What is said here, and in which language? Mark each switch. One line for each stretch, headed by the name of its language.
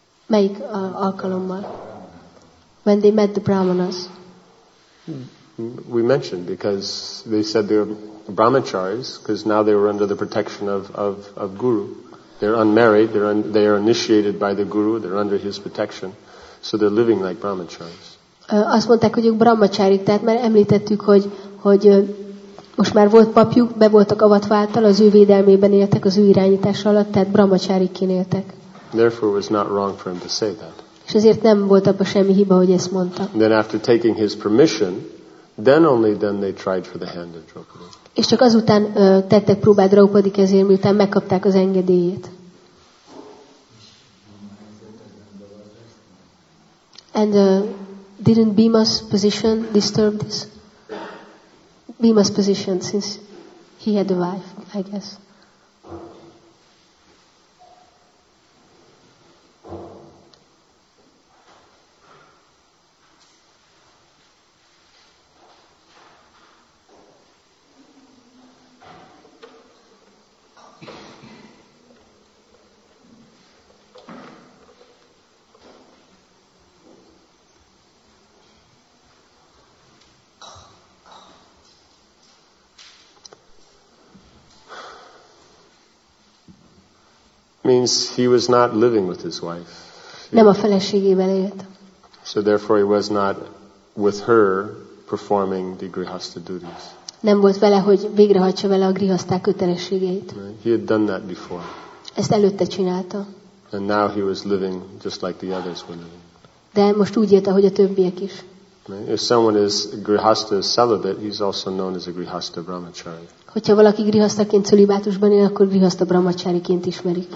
Hungarian: Melyik alkalommal?
English: When they met the brahmanas? We mentioned, because they said they were brahmacharis, because now they were under the protection of guru. They're unmarried, they are initiated by the guru, they're under his protection, so they're living like brahmacharis.
Hungarian: Azt mondták, hogy ők brahmacharik, tehát már említettük, hogy most már volt papjuk, be voltak avatva által, az ő védelmében éltek, az ő irányítása alatt, tehát brahmacharikként éltek.
English: Therefore it was not wrong for him to say that.
Hungarian: És ezért nem volt abban semmi hiba, hogy ezt mondta.
English: Then after taking his permission, then only then they tried for the hand of Draupadi.
Hungarian: És csak azután tettek próbát Draupadi kezére, miután megkapták az engedélyét.
English: And didn't Bhima's position disturb this? Bhima's position, since he had a wife, I guess. Means he was not living with his wife.
Hungarian: Nem a feleségével élt.
English: So therefore he was not with her performing the grihastha duties.
Hungarian: Nem volt vele, hogy végrehajtsa vele a grihaszták kötelességeit.
English: He had done that before.
Hungarian: Ezt előtte csinálta.
English: And now he was living just like the others were living.
Hungarian: De most úgy élt, ahogy a többiek is.
English: If someone is grihastha celibate, he's also known as a grihastha brahmachari.
Hungarian: Hogyha valaki grihasztaként cölibátusban él, akkor grihaszta brahmacháriként ismerik.